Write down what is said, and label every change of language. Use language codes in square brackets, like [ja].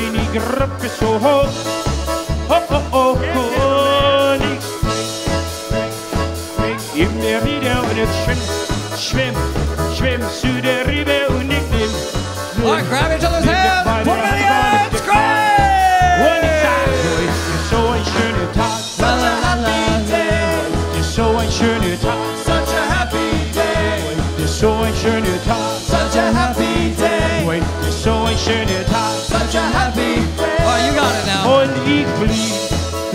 [de] Gruppe so hoch, hoch, hoch, hoch, hoch, und ich spring immer wieder und ich schwimm, schwimm, schwimm zu der Rübe und ich nimm. [en] All right, grab each other's hands, put them in the air, it's great! [de] Und ich sag, heute ist so ein schöner Tag, [en] such a happy day, [de] heute ist so ein schöner Tag, [en] such a happy day, [de] heute ist so ein schöner Tag, [en] such a happy day, [de] heute ist so ein schöner Tag,